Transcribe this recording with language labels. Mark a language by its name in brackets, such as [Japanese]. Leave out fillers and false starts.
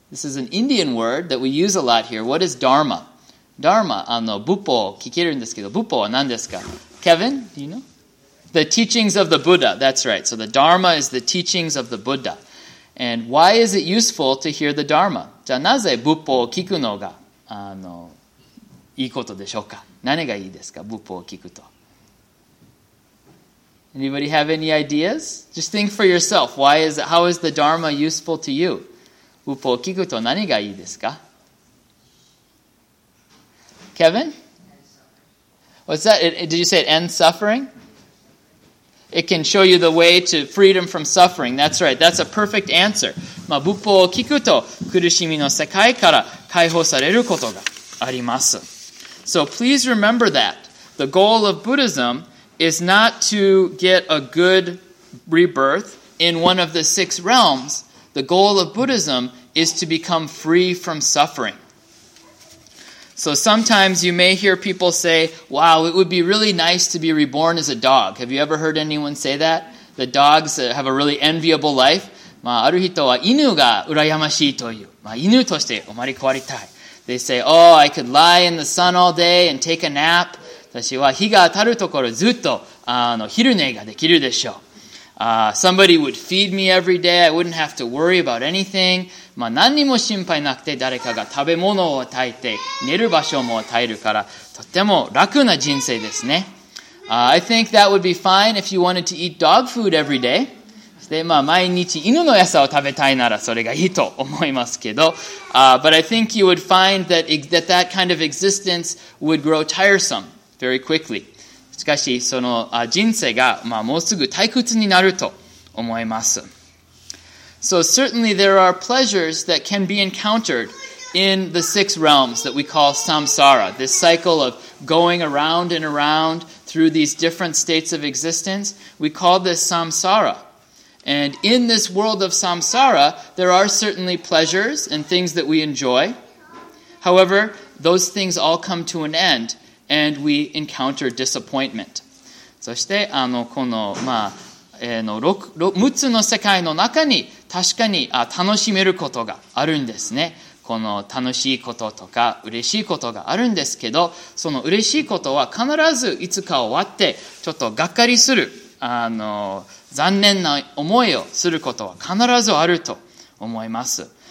[English] This is an Indian word that we use a lot here. What is Dharma? Dharma, [Japanese] Bupo, kikiru desu kedo, Bupo wa nan desu ka? [English] Kevin, do you know? The teachings of the Buddha, that's right. So the Dharma is the teachings of the Buddha. And why is it useful to hear the Dharma? [Japanese] じゃあなぜ Bupo を聞くのがいいことでしょうか? 何がいいですか?Bupo を聞くと。 [English] Anybody have any ideas? Just think for yourself. How is the Dharma useful to you? [Japanese] 仏法を聞くと何がいいですか? [English] Kevin? What's that? Did you say it ends suffering? It can show you the way to freedom from suffering. That's right. That's a perfect answer. [Japanese] まあ、仏法を聞くと苦しみの世界から解放されることがあります。 [English] So please remember that. The goal of Buddhism is not to get a good rebirth in one of the six realms. The goal of Buddhism is to become free from suffering. So sometimes you may hear people say, wow, it would be really nice to be reborn as a dog. Have you ever heard anyone say that? The dogs have a really enviable life. [Japanese] まあ、ある人は犬が羨ましいという。まあ、犬として生まれ変わりたい。 [English] They say, oh, I could lie in the sun all day and take a nap. [Japanese] 私は日が当たるところずっと昼寝ができるでしょう。 [English] Somebody would feed me every day. I wouldn't have to worry about anything. [Japanese] まあ、何にも心配なくて誰かが食べ物を与えて寝る場所も与えるからとても楽な人生ですね。 [English] I think that would be fine if you wanted to eat dog food every day. [Japanese] で、まあ、毎日犬の餌を食べたいならそれがいいと思いますけど。 [English] But I think you would find that that kind of existence would grow tiresome very quickly. [Japanese] しかし、その人生が、まあ、もうすぐ退屈になると思います。 [English] So certainly there are pleasures that can be encountered in the six realms that we call samsara, this cycle of going around and around through these different states of existence. We call this samsara. And in this world of samsara, there are certainly pleasures and things that we enjoy. However, those things all come to an end. And we encounter disappointment. [Japanese] そしてこの、まあ6つの世界の中に確かに楽しめることがあるんですね。この楽しいこととか嬉しいことがあるんですけど、その嬉しいことは必ずいつか終わってちょっとがっかりする残念な思いをすることは必ずあると思います。